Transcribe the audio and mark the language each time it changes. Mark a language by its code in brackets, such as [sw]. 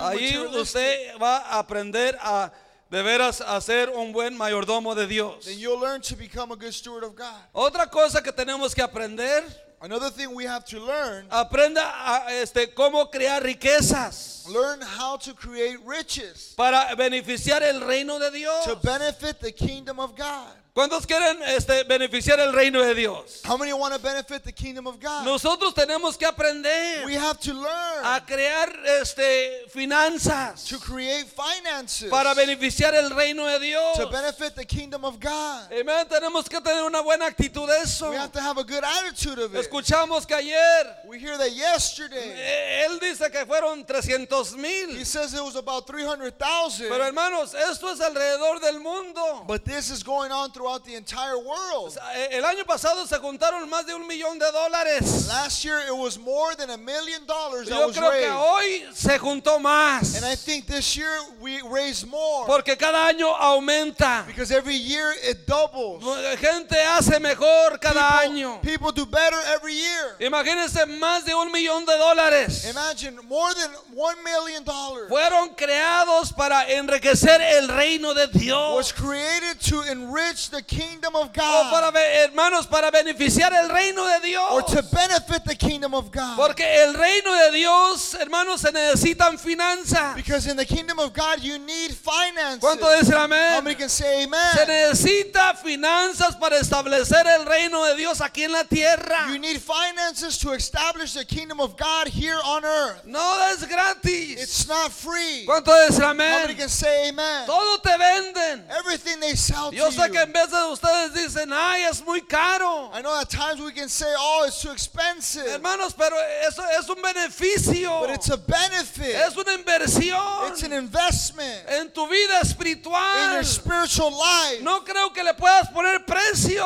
[es] Ahí usted va a aprender a de veras a ser un buen mayordomo de Dios. [en] Then you'll learn to become a good steward of God. [es] Otra cosa que tenemos que aprender. [en] Another thing we have to learn. [es] Aprenda a, este, cómo crear riquezas. [en] Learn how to create riches. [es] Para beneficiar el reino de Dios. [en] To benefit the kingdom of God. [es] ¿Cuántos quieren este, beneficiar el reino de Dios? [en] How many want to benefit the kingdom of God? [es] Nosotros tenemos que aprender. [en] We have to learn. [es] A crear este, finanzas. [en] To create finances. [es] Para beneficiar el reino de Dios. [en] To benefit the kingdom of God. Amen. [es] Tenemos que tener una buena actitud de eso. [en] We have to have a good attitude of it. [es] Escuchamos que ayer. [en] We hear that yesterday. [es] Él dice que fueron 300 mil. [en] He says it was about 300,000. [es] Pero hermanos, esto es alrededor del mundo. [en] But this is going on throughout the entire world. [es] El año pasado se juntaron más de un millón de dólares. [en] Last year it was more than $1 million that was raised. [es] Yo creo que hoy se juntó más. [en] And I think this year we raised more. [es] Porque cada año aumenta. [en] Because every year it doubles. [es] Gente hace mejor cada año. [en] People do better every year. [es] Imagínense más de un millón de dólares. [en] Imagine more than $1 million. [es] Fueron creados para enriquecer el reino de Dios. [en] Was created to enrich the kingdom of God. [es] O para, hermanos, para beneficiar el reino de Dios. [en] Or to benefit the kingdom of God. [es] Porque el reino de Dios, hermanos, se necesitan finanzas. [en] Because in the kingdom of God you need finances. [es] ¿Cuánto dicen amén? [en] How many can say amen? [es] Se necesita finanzas para establecer el reino de Dios aquí en la tierra. [en] You need finances to establish the kingdom of God here on earth. [es] No es gratis. [en] It's not free. [es] ¿Cuánto dicen amén? [en] How many can say amen? [es] Todo te venden. [en] Everything they sell to you. [es] Yo sé que en vez de ustedes dicen, ay, es muy caro. [en] I know at times we can say, oh, it's too expensive. [es] Hermanos, pero eso es un beneficio. [en] But it's a benefit. [es] Es una inversión. [en] It's an investment. [es] En tu vida espiritual. [en] In your spiritual life. [es] No creo que le puedas poner precio.